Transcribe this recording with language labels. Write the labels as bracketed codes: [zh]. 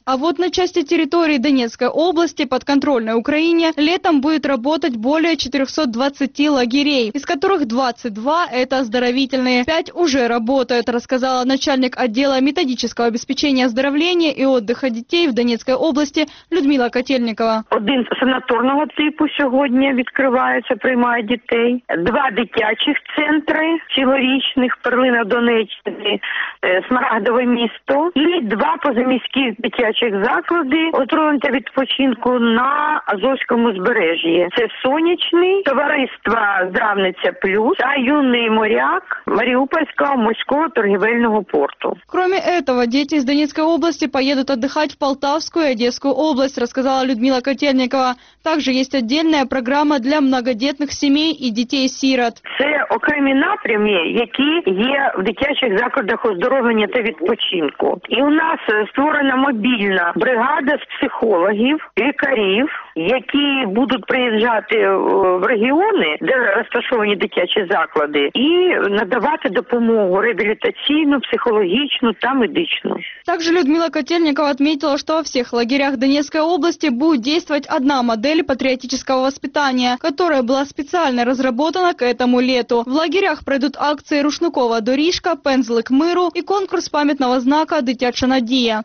[ru] А вот на части территории Донецкой области, подконтрольной Украине, летом будет работать более 420 лагерей, из которых 22 – это оздоровительные. 5 уже работают, рассказала начальник отдела методического обеспечения оздоровления и отдыха детей в Донецкой области Людмила Котельникова. [uk] Один санаторного типу сьогодні відкривається, приймає дітей. 2 дитячих центри цілорічних, Перлина Донеччини, Смарагдове місто. І 2 позаміських дитячих заклади, отруєнте відпочинку на Азовському збережжі. Це Сонячний, товариство Здравниця Плюс, а Юний моряк Маріупольського морського торгівельного порту. Крім цього, діти з Донецької області поїдуть відпочивати в Полтавську і Одеську область, розказала Людмила Котельникова. Також є [ru] отдельная программа для многодетных семей и детей-сирот. [uk] Це окремі напрямки, які є в дитячих закладах оздоровлення та відпочинку. І у нас створена мобільна бригада з психологів, лікарів, які будуть приїжджати в регіони, де розташовані дитячі заклади, і надавати допомогу реабілітаційну, психологічну та медичну. [ru] Также Людмила Котельникова отметила, что во всех лагерях Донецкой области будет действовать одна модель патриотического воспитания, которая была специально разработана к этому лету. В лагерях пройдут акции «Рушникова доріжка», «Пензли к миру» и конкурс памятного знака «Дитяча надія».